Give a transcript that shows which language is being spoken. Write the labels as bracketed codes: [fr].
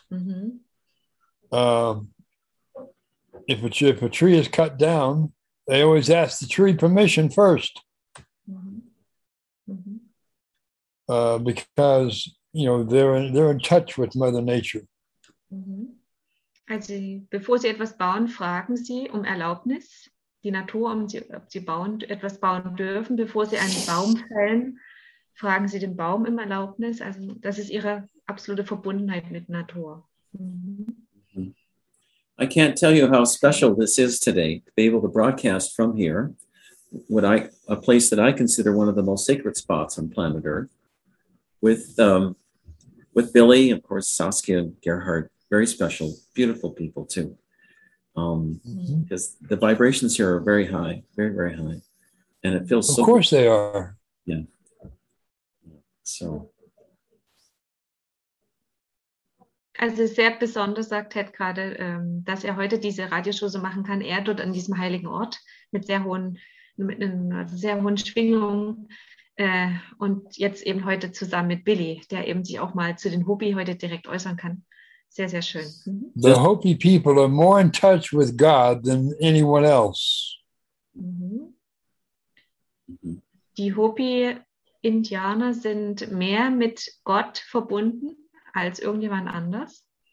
[en] Mm-hmm. If a tree is cut down, they always ask the tree permission first. Mm-hmm. Mm-hmm. Because you know they're in touch with Mother Nature. Mm-hmm. [de] Also, bevor sie etwas bauen, fragen sie um Erlaubnis. Die Natur, ob sie bauen, etwas bauen dürfen, bevor sie einen Baum fällen, fragen sie den Baum um Erlaubnis. Also das ist ihre absolute Verbundenheit mit Natur. [en] I can't tell you how special this is today, to be able to broadcast from here, a place that I consider one of the most sacred spots on planet Earth, with Billy, of course, Saskia and Gerhard, very special, beautiful people too. Because mm-hmm. the vibrations here are very high, very, very high. And it feels of so of course good. They are. Yeah. So. [de] Also sehr besonders sagt Ted gerade, dass er heute diese Radioshow so machen kann, er dort an diesem heiligen Ort mit einer sehr hohen Schwingung und jetzt eben heute zusammen mit Billy, der eben sich auch mal zu den Hopi heute direkt äußern kann. Sehr, sehr schön. [en] The Hopi people are more in touch with God than anyone else. [de] Die Hopi-Indianer sind mehr mit Gott verbunden als irgendjemand anders.